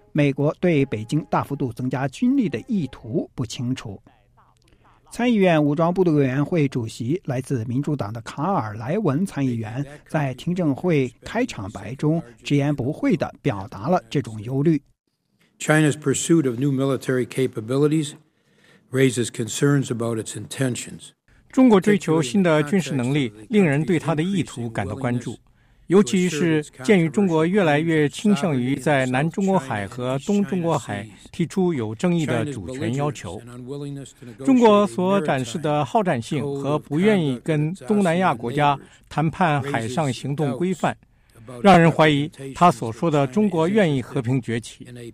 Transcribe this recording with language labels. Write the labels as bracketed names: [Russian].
[Chinese] 美国对北京大幅度增加军力的意图不清楚。参议院武装部队委员会主席、来自民主党的卡尔·莱文参议员在听证会开场白中直言不讳地表达了这种忧虑。 [English] China's pursuit of new military capabilities raises concerns about its intentions. [Chinese] 中国追求新的军事能力令人对它的意图感到关注，尤其是鉴于中国越来越倾向于在南中国海和东中国海提出有争议的主权要求。中国所展示的好战性和不愿意跟东南亚国家谈判海上行动规范，让人怀疑他所说的中国愿意和平崛起。